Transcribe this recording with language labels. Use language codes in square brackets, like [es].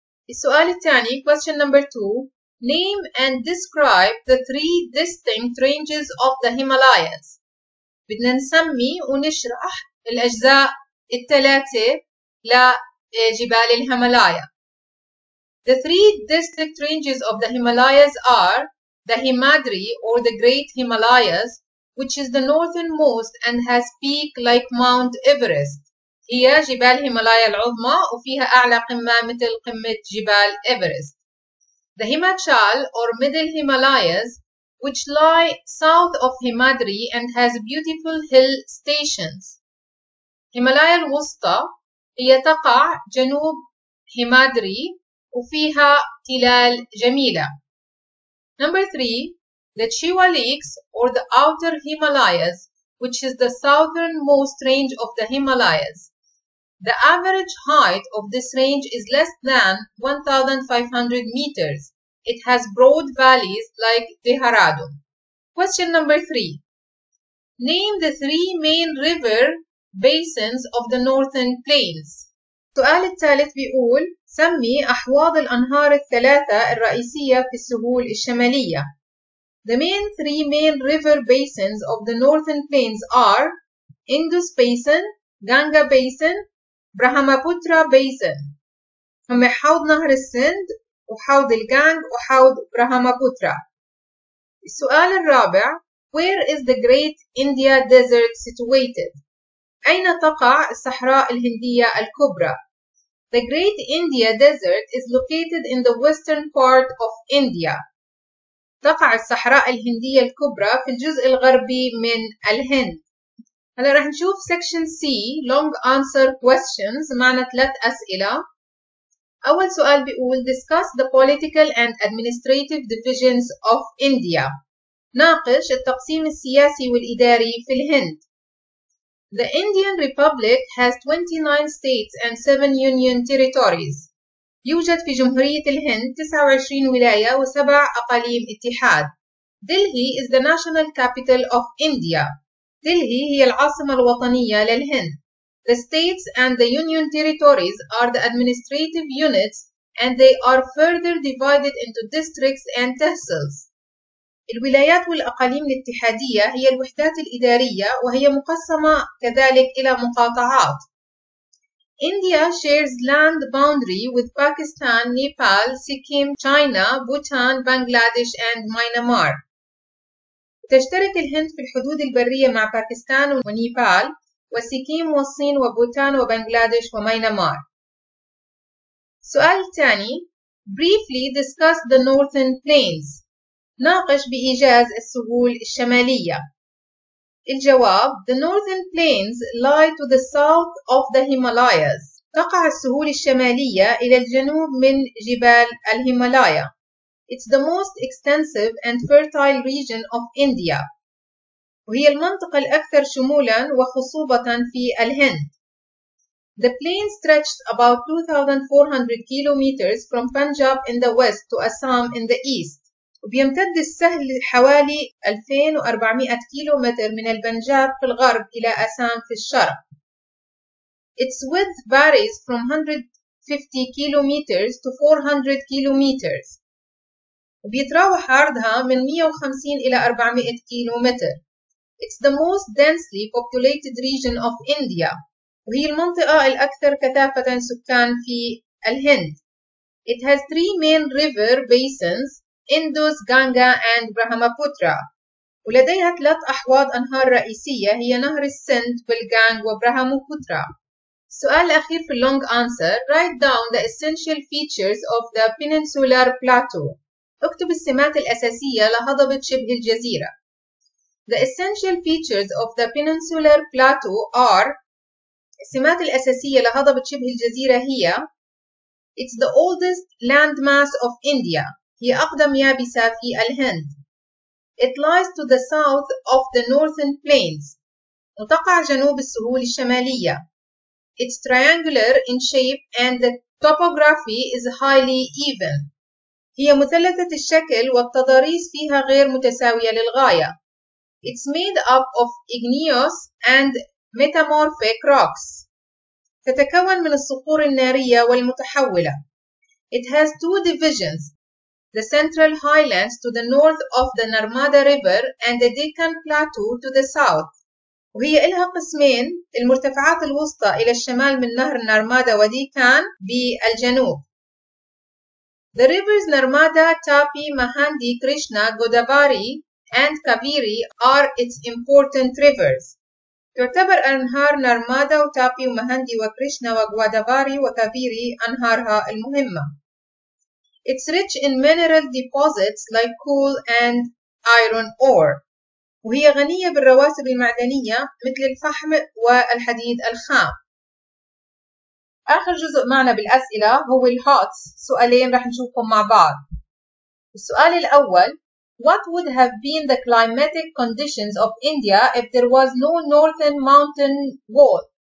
[ar] السؤال الثاني [en] question number 2 name and describe the three distinct ranges of the Himalayas. [ar] بدنا نسمي ونشرح الأجزاء الثلاثة لجبال الهيمالايا. [en] The three distinct ranges of the Himalayas are the Himadri or the Great Himalayas, which is the northernmost and has peak like Mount Everest. [ar] هي جبال هيمالايا العظمى وفيها أعلى قمة مثل قمة جبال إيفرست. [en] The Himachal or Middle Himalayas, which lie south of Himadri and has beautiful hill stations. [ar] هيمالايا الوسطى هي تقع جنوب هيمادري وفيها تلال جميلة. [en] Number 3. the Chewa Lakes, or the Outer Himalayas, which is the southernmost range of the Himalayas. The average height of this range is less than 1,500 meters. It has broad valleys like Dehradun. Question number 3. Name the three main river basins of the Northern Plains. [ar] السؤال الثالث بيقول سمي أحواض الأنهار الثلاثة الرئيسية في السهول الشمالية. [en] The main three main river basins of the Northern Plains are Indus Basin, Ganga Basin, Brahmaputra Basin. [ar] هم حوض نهر السند وحوض الجانج وحوض برهماپوترا. السؤال الرابع [en] Where is the Great India Desert situated? [ar] أين تقع الصحراء الهندية الكبرى؟ [en] The Great India Desert is located in the western part of India. [ar] تقع الصحراء الهندية الكبرى في الجزء الغربي من الهند. هلا رح نشوف [en] Section C Long Answer Questions [ar] معنا ثلاث أسئلة. أول سؤال بيقول [en] Discuss the political and administrative divisions of India. [ar] ناقش التقسيم السياسي والإداري في الهند. [en] The Indian Republic has 29 states and 7 union territories. [ar] يوجد في جمهورية الهند 29 ولاية و7 أقاليم اتحاد. [en] Delhi is the national capital of India. [ar] Delhi هي العاصمة الوطنية للهند. [en] The states and the union territories are the administrative units and they are further divided into districts and tehsils. [ar] الولايات والأقاليم الاتحادية هي الوحدات الإدارية وهي مقسمة كذلك إلى مقاطعات. [en] India shares land boundary with Pakistan, Nepal, Sikkim, China, Bhutan, Bangladesh and Myanmar. [ar] تشترك الهند في الحدود البرية مع باكستان ونيبال وسيكيم والصين وبوتان وبنغلاديش وميانمار. سؤال ثاني [en] Briefly discuss the Northern Plains. [ar] ناقش بإيجاز السهول الشمالية. الجواب [en] The Northern Plains lie to the south of the Himalayas. [ar] تقع السهول الشمالية إلى الجنوب من جبال الهيمالايا. [en] It's the most extensive and fertile region of India. [ar] وهي المنطقة الأكثر شمولاً وخصوبة في الهند. [en] The plain stretched about 2,400 kilometers from Punjab in the west to Assam in the east. [ar] وبيمتد السهل حوالي 2400 كيلومتر من البنجاب في الغرب إلى أسام في الشرق. [en] Its width varies from 150 kilometers to 400 kilometers. [ar] وبيتراوح عرضها من 150 إلى 400 كيلومتر. [en] It's the most densely populated region of India. [ar] وهي المنطقة الأكثر كثافة سكان في الهند. [en] It has three main river basins. Indus, Ganga and Brahmaputra. [ar] ولديها ثلاث أحواض أنهار رئيسية هي نهر السند والجانج وبرهماپوترا. سؤال الأخير في [en] Long Answer Write down the essential features of the Peninsular Plateau. [ar] اكتب السمات الأساسية لهضبة شبه الجزيرة. [en] The essential features of the Peninsular Plateau are [ar] السمات الأساسية لهضبة شبه الجزيرة هي [en] It's the oldest landmass of India. [ar] هي أقدم يابسة في الهند. [en] It lies to the south of the northern plains. [ar] وتقع جنوب السهول الشمالية. [en] It's triangular in shape and the topography is highly even. [ar] هي مثلثة الشكل والتضاريس فيها غير متساوية للغاية. [en] It's made up of igneous and metamorphic rocks. تتكون من الصخور النارية والمتحولة. It has two divisions. The Central Highlands to the north of the Narmada River and the Deccan Plateau to the south. [ar] وهي إلها قسمين المرتفعات الوسطى إلى الشمال من نهر نرمادا وديكان بالجنوب. [en] The rivers Narmada, Tapi, Mahanandi, Krishna, Godavari and Kaveri are its important rivers. [ar] تعتبر أنهار نرمادا وتابي ومهاندي وكريشنا وغودافاري وكافيري أنهارها المهمة. [en] It's rich in mineral deposits like coal and iron ore. [ar] وهي غنية بالرواسب المعدنية مثل الفحم والحديد الخام. آخر جزء معنا بالأسئلة هو الهوتس سؤالين رح نشوفهم مع بعض. السؤال الأول [en] What would have been the climatic conditions of India if there was no Northern Mountain Wall?